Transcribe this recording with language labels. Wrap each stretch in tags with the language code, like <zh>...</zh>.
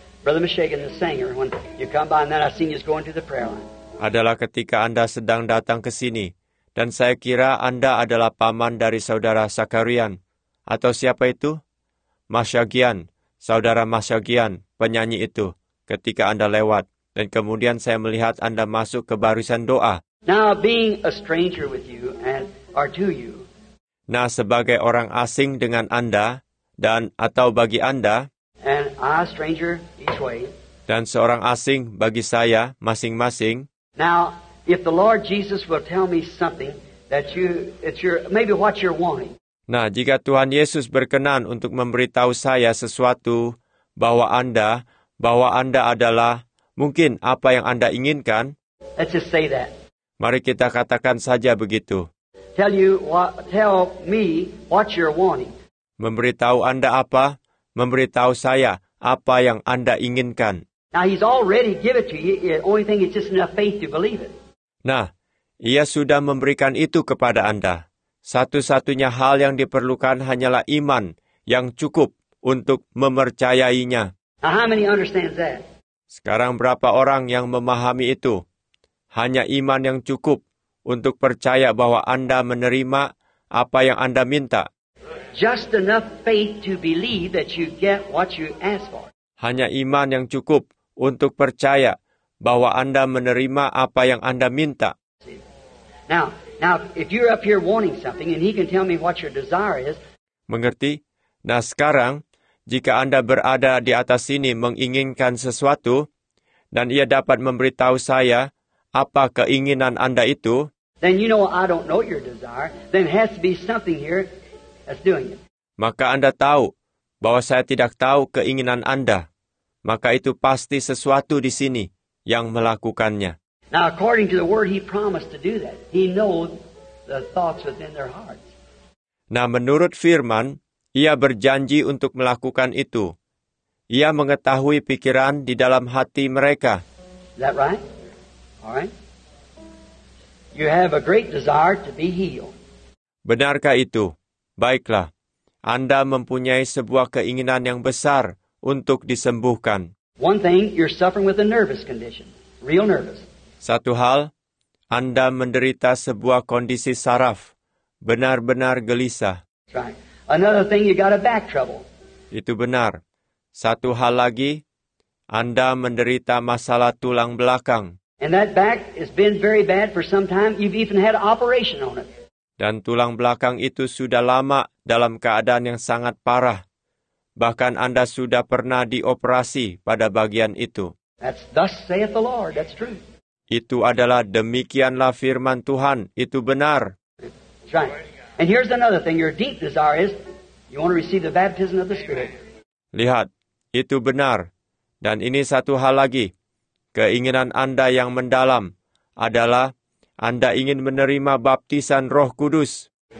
<en>Brother Meshagan, the singer, when you come by and then I seen you going to the prayer line.</en> <id>Adalah ketika Anda sedang datang ke sini, dan saya kira Anda adalah paman dari Saudara Zakarian, atau siapa itu? Meshagan, Saudara Meshagan, penyanyi itu, ketika Anda lewat, dan kemudian saya melihat Anda masuk ke barisan doa.</id> <en>Now, being a stranger with you, and or to you.</en> <id>Nah, sebagai orang asing dengan Anda, dan atau bagi Anda,</id> <en>and a stranger each way.</en> <id>Dan seorang asing bagi saya masing-masing.</id> <en>Now, if the Lord Jesus will tell me something that you, it's your, maybe what you're wanting.</en> <id>Nah, jika Tuhan Yesus berkenan untuk memberitahu saya sesuatu bahwa Anda adalah mungkin apa yang Anda inginkan.</id> <en>Let's just say that.</en> <id>Mari kita katakan saja begitu.</id> <en>Tell me what you're wanting.</en> <id>Memberitahu Anda apa? Memberitahu saya apa yang Anda inginkan.</id> <en>Now he's already given it to you. The only thing is just enough faith to believe it.</en> <id>Nah, ia sudah memberikan itu kepada Anda. Satu-satunya hal yang diperlukan hanyalah iman yang cukup untuk mempercayainya.</id> <en>Now, how many understands that?</en> <id>Sekarang berapa orang yang memahami itu? Hanya iman yang cukup untuk percaya bahwa Anda menerima apa yang Anda minta.</id> <en>Just enough faith to believe that you get what you ask for.</en> <id>hanya iman yang cukup untuk percaya bahwa Anda menerima apa yang Anda minta.</id> <en>Now, if you're up here wanting something and he can tell me what your desire is.</en> <id>Mengerti? Nah, sekarang jika Anda berada di atas sini menginginkan sesuatu dan ia dapat memberitahu saya apa keinginan Anda itu,</id> <en>then you know I don't know your desire, then it has to be something here that's doing it.</en> <id>Maka Anda tahu bahwa saya tidak tahu keinginan Anda, maka itu pasti sesuatu di sini yang melakukannya.</id> <en>Now according to the word he promised to do that, he knows the thoughts within their hearts.</en> <id>Nah, menurut firman, ia berjanji untuk melakukan itu. Ia mengetahui pikiran di dalam hati mereka.</id> <en>Is that right? All right. You have a great desire to be healed.</en> <id>Benarkah itu? Baiklah. Anda mempunyai sebuah keinginan yang besar untuk disembuhkan.</id> <en>One thing, you're suffering with a nervous condition. Real nervous.</en> <id>Satu hal, Anda menderita sebuah kondisi saraf, benar-benar gelisah.</id> <en>Another thing, you got a back trouble.</en> <id>Itu benar. Satu hal lagi, Anda menderita masalah tulang belakang.</id> <en>And that back has been very bad for some time. You've even had an operation on it.</en> <id>Dan tulang belakang itu sudah lama dalam keadaan yang sangat parah. Bahkan Anda sudah pernah dioperasi pada bagian itu.</id> <en>That's thus saith the Lord. That's true.</en> <id>Itu adalah demikianlah firman Tuhan. Itu benar.</id> <en>Right. And here's another thing. Your deep desire is you want to receive the baptism of the Spirit.</en> <id>Lihat, itu benar. Dan ini satu hal lagi. Keinginan Anda yang mendalam adalah Anda ingin menerima baptisan Roh Kudus.</id>